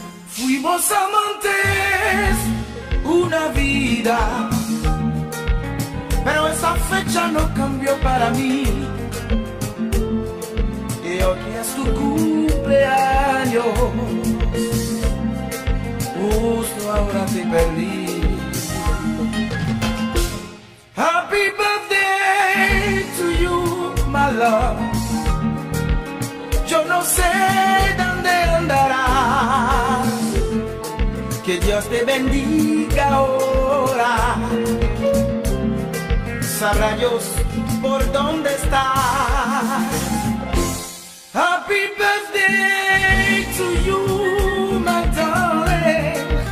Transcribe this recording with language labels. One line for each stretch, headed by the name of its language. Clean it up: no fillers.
Spanish: Fuimos amantes una vida, pero esa fecha no cambió para mí. Hoy es tu cumpleaños, justo ahora te perdí.
English: Happy birthday to you, my love.
Spanish: Yo no sé dónde andarás. Que Dios te bendiga ahora. Sabrá Dios por dónde estás.
English: Happy birthday to you, my darling.